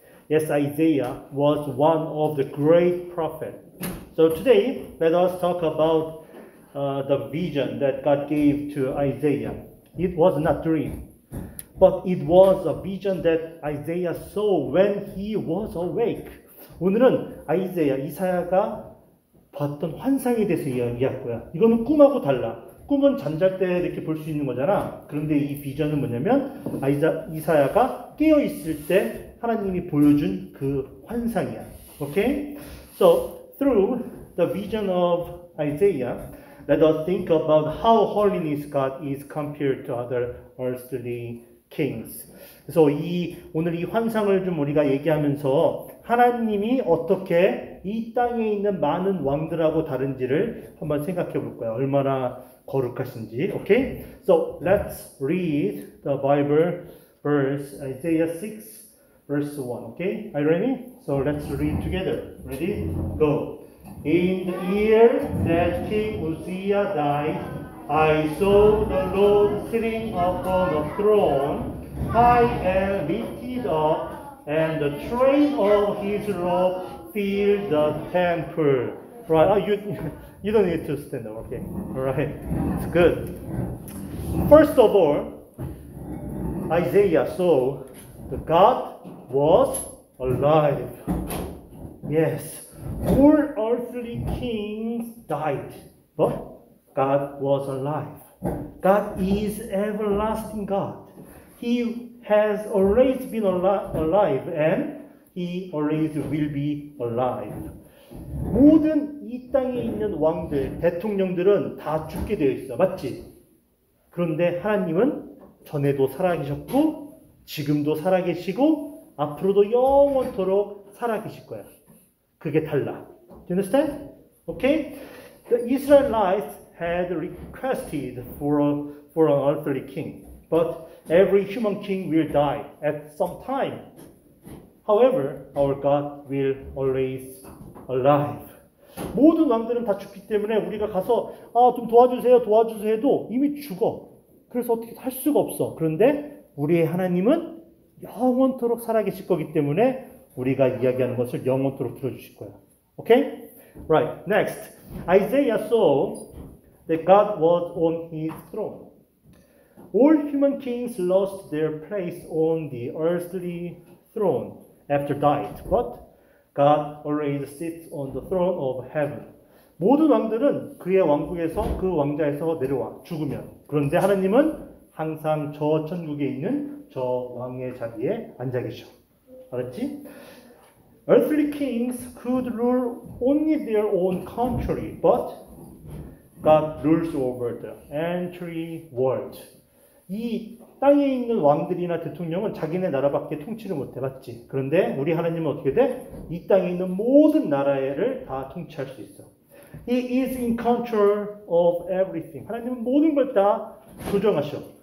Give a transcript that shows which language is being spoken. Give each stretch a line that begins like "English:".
English: Yes, Isaiah was one of the great prophets. So today, let us talk about the vision that God gave to Isaiah. It was not a dream, but it was a vision that Isaiah saw when he was awake.
Korean: 오늘은 아이사야, 이사야가 봤던 환상에 대해서 이야기할 거야. 이거는 꿈하고 달라. 꿈은 잠잘 때 이렇게 볼 수 있는 거잖아. 그런데 이 비전은 뭐냐면 이사야가 깨어 있을 때 하나님이 보여준 그 환상이야.
English: Okay? So through the vision of Isaiah, let us think about how holiness God is compared to other earthly kings.
Korean: 그래서 이 오늘 이 환상을 좀 우리가 얘기하면서 하나님이 어떻게 이 땅에 있는 많은 왕들하고 다른지를 한번 생각해 볼 거야. 얼마나 거룩하신지. Okay?
English: So let's read the Bible verse Isaiah 6 verse 1. Okay? Are you ready? So let's read together. Ready? Go. In the year that King Uzziah died, I saw the Lord sitting upon a throne, high and lifted up, and the train of his robe filled the temple. Right, you don't need to stand up, okay. All right, it's good. First of all, Isaiah saw the God was alive. Yes, all earthly kings died, but God was alive. God is everlasting God. He has always been alive and he always will be alive.
Korean: 모든 이 땅에 있는 왕들, 대통령들은 다 죽게 되어 있어. 맞지? 그런데 하나님은 전에도 살아계셨고, 지금도 살아계시고, 앞으로도 영원토록 살아계실 거야. 그게 달라.
English: Do you understand? Okay? The Israelites had requested for an earthly king. But every human king will die at some time. However, our God will always alive.
Korean: 모든 왕들은 다 죽기 때문에 우리가 가서 아, 좀 도와주세요 도와주세요 해도 이미 죽어. 그래서 어떻게 할 수가 없어. 그런데 우리의 하나님은 영원토록 살아계실 거기 때문에 우리가 이야기하는 것을 영원토록 들어주실 거야.
English: Okay? Right. Next. Isaiah saw that God was on his throne. All human kings lost their place on the earthly throne after died. But God already sits on the throne of heaven.
Korean: 모든 왕들은 그의 왕국에서 그 왕좌에서 내려와 죽으면. 그런데 하나님은 항상 저 천국에 있는 저 왕의 자리에 앉아 계셔. 알았지?
English: Earthly kings could rule only their own country, but God rules over the entire world.
Korean: 이 땅에 있는 왕들이나 대통령은 자기네 나라밖에 통치를 못해 봤지. 그런데 우리 하나님은 어떻게 돼? 이 땅에 있는 모든 나라를 다 통치할 수 있어.
English: He is in control of everything.
Korean: 하나님은 모든 걸 다 조정하셔.